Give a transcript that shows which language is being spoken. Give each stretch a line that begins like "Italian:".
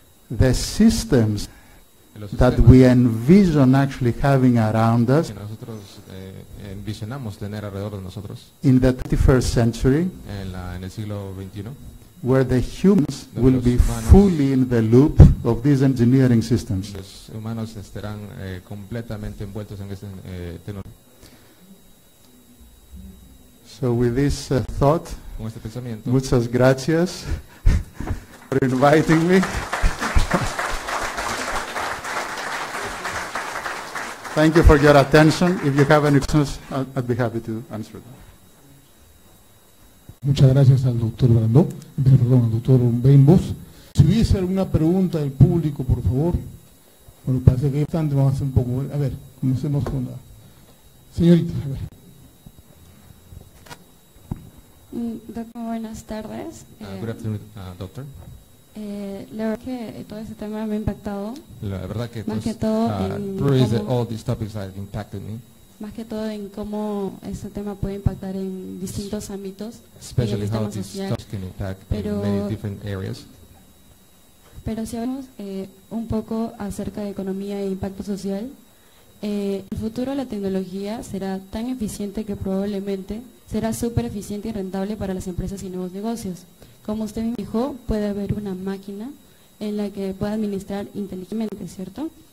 English: The systems that we envision actually having around us.
Spanish: Que nosotros envisionamos tener alrededor de nosotros.
English: In the 21st century.
Spanish: En el siglo 21.
English: Where the humans will be fully in the loop of these engineering systems.
Spanish: Los humanos estarán completamente envueltos en este tecnología.
English: So with this thought,
Spanish: con este pensamiento, muchas gracias
English: for inviting me. Thank you for your attention. If you have any questions, I'd be happy to answer them.
Spanish: Muchas gracias al doctor Brandó, perdón, al doctor Bembos. Si hubiese alguna pregunta del público, por favor. Bueno, parece que hay bastante, vamos a hacer un poco. A ver, comencemos con la señorita. A ver. Doctor, buenas tardes.
English: Good afternoon, doctor.
Spanish: La verdad que todo este tema me ha impactado. La verdad que más que todo
English: all these topics have impacted me.
Spanish: Más que todo en cómo este tema puede impactar en distintos ámbitos.
English: Especially how these topics can impact many different areas.
Spanish: Pero si hablamos un poco acerca de economía e impacto social, en el futuro la tecnología será tan eficiente que probablemente será súper eficiente y rentable para las empresas y nuevos negocios. Como usted me dijo, puede haber una máquina en la que pueda administrar inteligentemente, ¿cierto?